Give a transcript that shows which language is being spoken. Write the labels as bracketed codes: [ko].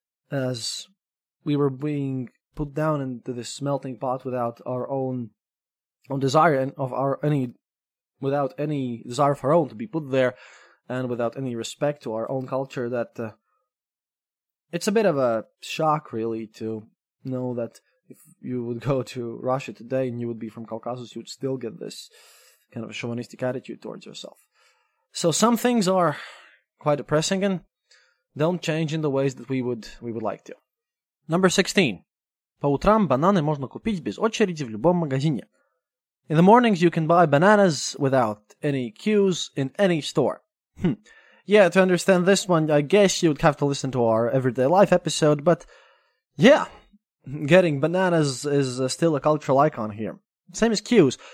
[en] As we were being put down into this melting pot without our own desire, and without any desire of our own to be put there, and without any respect to our own culture, that it's a bit of a shock, really, to know that if you would go to Russia today and you would be from Caucasus, you would still get this kind of a chauvinistic attitude towards yourself. So some things are quite depressing and don't change in the ways that we would like to. Number 16. [ru] По утрам бананы можно купить без очереди в любом магазине. [en] In the mornings, you can buy bananas without any queues in any store. Yeah, to understand this one, I guess you'd have to listen to our Everyday Life episode, but yeah, getting bananas is still a cultural icon here. Same as queues.